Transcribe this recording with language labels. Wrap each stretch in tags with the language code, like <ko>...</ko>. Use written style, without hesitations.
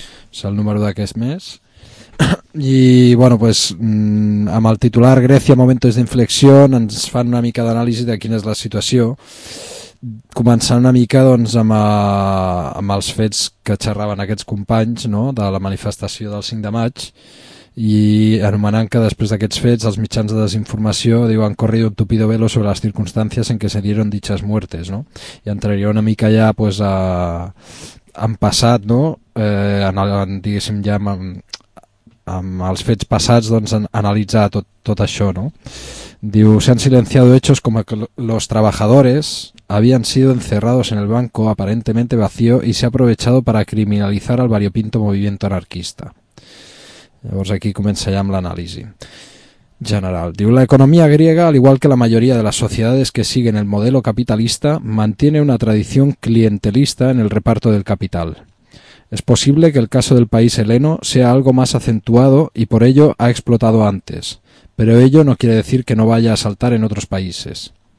<ca>És el número d'aquest mes. I bueno, pues, amb el titular Grècia, momentos de inflexión, ens fan una mica d'anàlisi de quina és la situació, començant una mica doncs, amb els fets que xerraven aquests companys, no?, de la manifestació del 5 de maig, i anomenant que després d'aquests fets els mitjans de desinformació diuen</ca> <es>han corrido un tupido velo sobre las circunstancias en que se dieron dichas muertes,</es> <ca>no? I entraria una mica ja pues, a, en passat, no? En, diguéssim, ja amb els fets passats, doncs, analitzar tot això, no? Diu,</ca> <es>se han silenciado hechos como que los trabajadores habían sido encerrados en el banco aparentemente vacío y se ha aprovechado para criminalizar al variopinto movimiento anarquista.</es> <ca>Llavors aquí comença ja amb l'anàlisi general. Diu,</ca> <es>la economía griega, al igual que la mayoría de las sociedades que siguen el modelo capitalista, mantiene una tradición clientelista en el reparto del capital. Es posible que el caso del país heleno sea algo más acentuado y por ello ha explotado antes, pero ello no quiere decir que no vaya a saltar en otros países.</es>